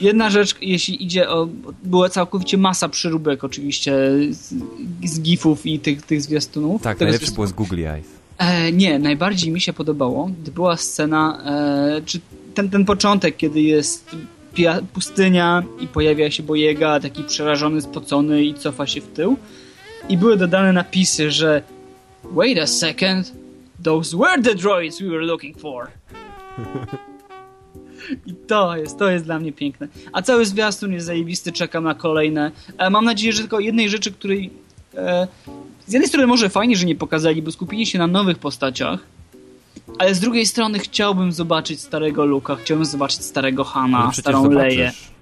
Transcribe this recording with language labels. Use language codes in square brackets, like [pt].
[pl] Jedna rzecz, jeśli idzie o... Była całkowicie masa przeróbek oczywiście z gifów i tych zwiastunów. Tak, najlepszy było z Googly Eyes. Nie, najbardziej mi się podobało, gdy była scena, czy ten początek, kiedy jest pustynia i pojawia się Boyega, taki przerażony, spocony i cofa się w tył. I były dodane napisy, że [en] wait a second, those were the droids we were looking for. [pl] I to jest dla mnie piękne. A cały zwiastun jest zajebisty, czekam na kolejne. Mam nadzieję, że tylko jednej rzeczy, której... Z jednej strony może fajnie, że nie pokazali, bo skupili się na nowych postaciach, ale z drugiej strony chciałbym zobaczyć starego Luka, chciałbym zobaczyć starego Hana, starą Leję.